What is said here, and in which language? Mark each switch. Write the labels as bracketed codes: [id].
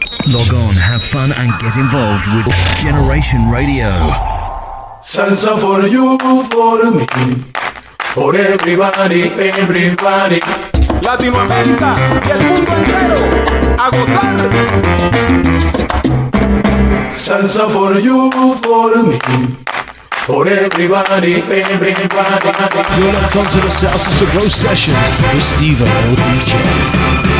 [en] Log on, have fun, and get involved with Generation Radio. Salsa for you, for me, for everybody, everybody. [es] Latinoamérica y el mundo entero, a gozar. [en] Salsa for you, for me, for everybody, everybody. You're locked onto the SalsaSabro Sessions with Steve O.D.J.